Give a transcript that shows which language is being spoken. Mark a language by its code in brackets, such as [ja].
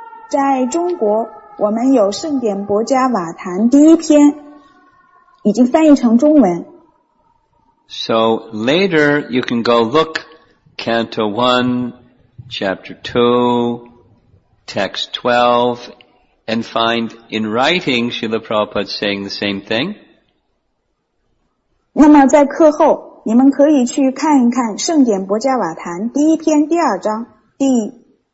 [zh] 在中国，我们有《圣典薄伽瓦坛》第一篇，已经翻译成中文。 [en] So later you can go look Canto 1, Chapter 2, Text 12, and find in writing Srila Prabhupada saying the same thing. [zh] 那么在课后你们可以去看一看《圣典薄伽瓦坛》第一篇第二章第